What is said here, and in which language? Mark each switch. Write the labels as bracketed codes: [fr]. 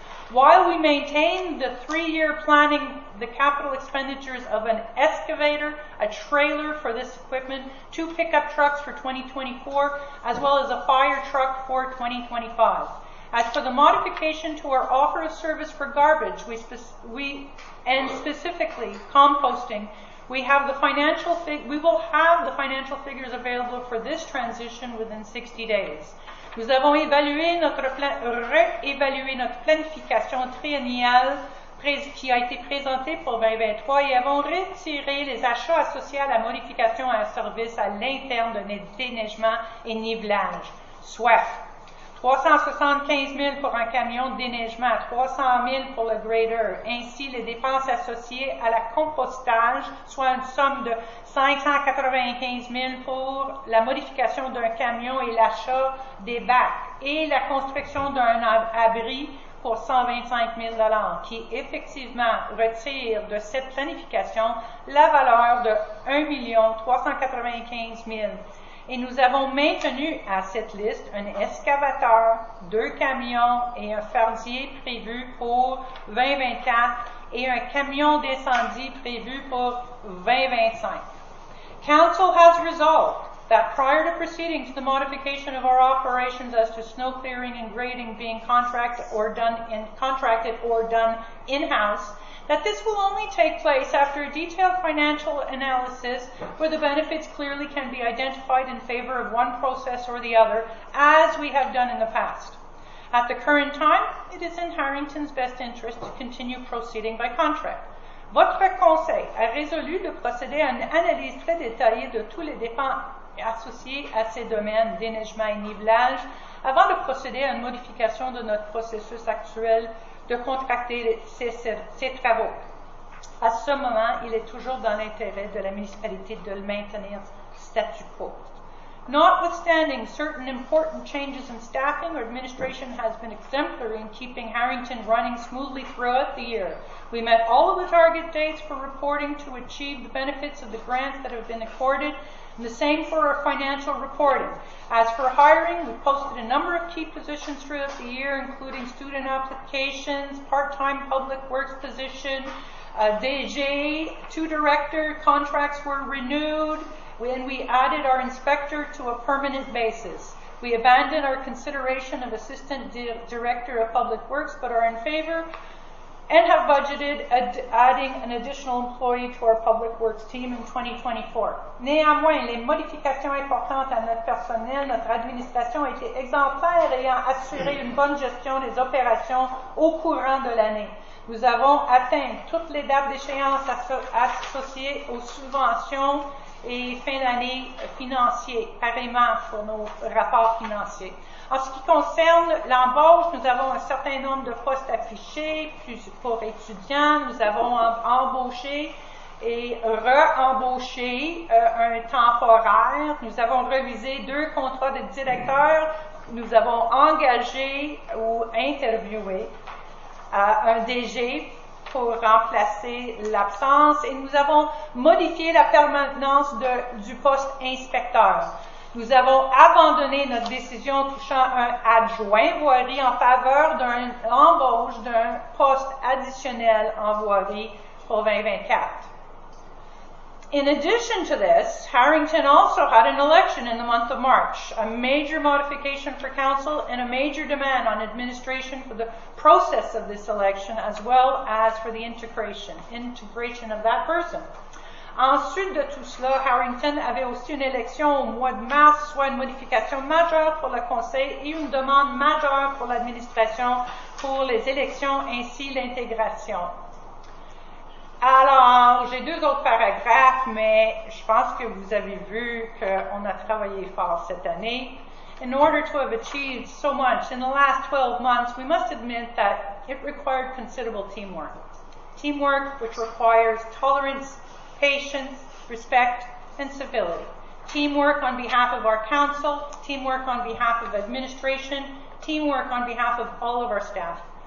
[en] While we maintain the three-year planning, the capital expenditures of an excavator, a trailer for this equipment, two pickup trucks for 2024, as well as a fire truck for 2025. As for the modification to our offer of service for garbage, specifically composting, we will have the financial figures available for this transition within 60 days. [fr] Nous avons réévalué notre planification triennale qui a été présentée pour 2023 et avons retiré les achats associés à la modification à un service à l'interne de déneigement et nivelage. Soit 375 000 pour un camion de déneigement, 300 000 pour le grader. Ainsi, les dépenses associées à la compostage, soit une somme de 595 000 pour la modification d'un camion et l'achat des bacs et la construction d'un abri pour 125 000 qui effectivement retire de cette planification la valeur de 1 395 000. Et nous avons maintenu à cette liste un excavateur, deux camions et un fardier prévu pour 2024 et un camion d'incendie prévu pour 2025. [en] Council has resolved that prior to proceeding to the modification of our operations as to snow clearing and grading being contracted or done in-house, that this will only take place after a detailed financial analysis where the benefits clearly can be identified in favor of one process or the other, as we have done in the past. At the current time, it is in Harrington's best interest to continue proceeding by contract. [fr] Votre conseil a résolu de procéder à une analyse très détaillée de tous les dépenses associées à ces domaines, déneigement et nivelage, avant de procéder à une modification de notre processus actuel de contracter ces travaux. À ce moment, il est toujours dans l'intérêt de la municipalité de le maintenir statu quo. [en] Notwithstanding, certain important changes in staffing, our administration has been exemplary in keeping Harrington running smoothly throughout the year. We met all of the target dates for reporting to achieve the benefits of the grants that have been accorded, and the same for our financial reporting. As for hiring, we posted a number of key positions throughout the year, including student applications, part-time public works position, DG, two director contracts were renewed, when we added our inspector to a permanent basis. We abandoned our consideration of assistant director of public works, but are in favor and have budgeted adding an additional employee to our public works team in 2024. [fr] Néanmoins, les modifications importantes à notre personnel, notre administration a été exemplaire ayant assuré une bonne gestion des opérations au courant de l'année. Nous avons atteint toutes les dates d'échéance associées aux subventions et fin d'année financière, pareillement pour nos rapports financiers. En ce qui concerne l'embauche, nous avons un certain nombre de postes affichés plus pour étudiants. Nous avons embauché et re-embauché un temporaire. Nous avons révisé deux contrats de directeur. Nous avons engagé ou interviewé un DG pour remplacer l'absence et nous avons modifié la permanence du poste inspecteur. Nous avons abandonné notre décision touchant un adjoint voirie en faveur d'une embauche d'un poste additionnel en voirie pour 2024. [en] In addition to this, Harrington also had an election in the month of March, a major modification for council and a major demand on administration for the process of this election as well as for the integration of that person. [fr] Ensuite de tout cela, Harrington avait aussi une élection au mois de mars, soit une modification majeure pour le conseil et une demande majeure pour l'administration pour les élections ainsi l'intégration. Alors, j'ai deux autres paragraphes, mais je pense que vous avez vu qu'on a travaillé fort cette année. [en] In order to have achieved so much in the last 12 months, we must admit that it required considerable teamwork. teamwork which requires tolerance, patience, respect, and civility. Teamwork on behalf of our council, teamwork on behalf of administration, teamwork on behalf of all of our staff.